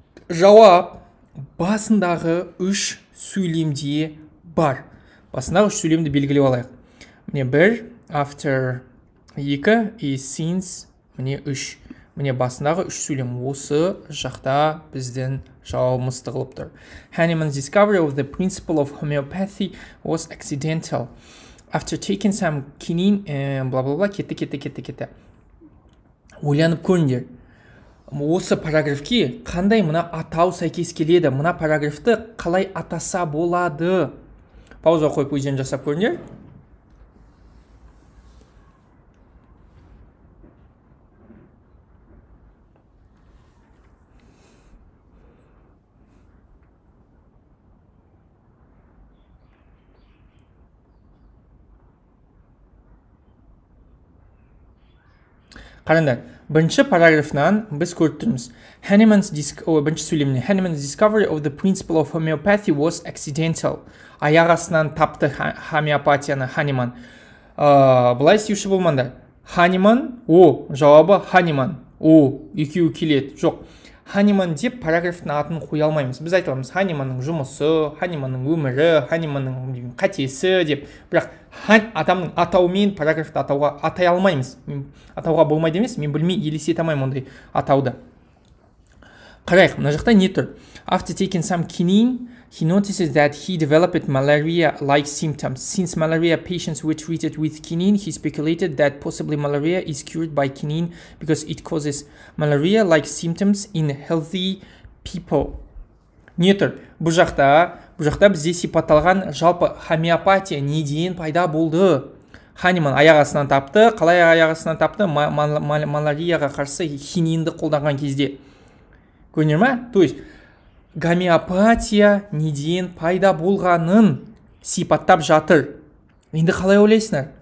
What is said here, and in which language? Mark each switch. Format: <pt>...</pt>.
<kk>Жауап басындағы үш сөйлемде бар. Басындағы үш сөйлемді белгілеп алайық. Міне бір,</kk> <en>after,</en> <kk>екі, и since, міне үш. Міне басындағы үш сөйлем осы жақта біздің жауабымыз тығылып тұр.</kk> <en>Hahnemann's discovery of the principle of homeopathy was accidental. After taking some quinine,</en> <kk>бла-бла-бла, кетті. Ойланып көріңдер. Осы параграфке қандай мына атау сәйкес келеді? Мына параграфты қалай атаса болады? Пауза қойып өзен жасап көріңдер. Қарындар, бірінші параграфынан біз көріп тұрмыз.</kk> <en>Hahnemann's discovery of the principle of homeopathy was accidental.</en> <kk>Аяқ астынан тапты хомеопатияны Hahnemann. Былай істеуші болмаңдар. Hahnemann, о, жауабы Hahnemann. О, екеуі келеді. Жоқ. Hahnemann деп параграфтың атын қоя алмаймыз. Біз айтамыз, Hahnemann-ның жұмысы, Hahnemann-ның өмірі, Hahnemann-ның қатесі деп. Бірақ адамның атауымен параграфты атауға атай алмаймыз. Атауға болмайды емес, мен білмей елестете алмаймын ондай атауды. Қарайық, мына жақта не тұр?</kk> <en>After taking some quinine, he notices that he developed malaria-like symptoms. Since malaria patients were treated with quinine, he speculated that possibly malaria is cured by quinine because it causes malaria-like symptoms in healthy people.</en> <kk>Не тұр? Бұл жақта бізде сипатталған жалпы хомеопатия неден пайда болды? Hahnemann аяқ астынан тапты. Қалай аяқ астынан тапты? Малярияға қарсы хининді қолданған кезде. Көрдіңдер ме?</kk> <ru>То есть гомеопатия</ru> <kk>неден пайда болғанын сипаттап жатыр. Енді қалай ойлайсыңдар?</kk>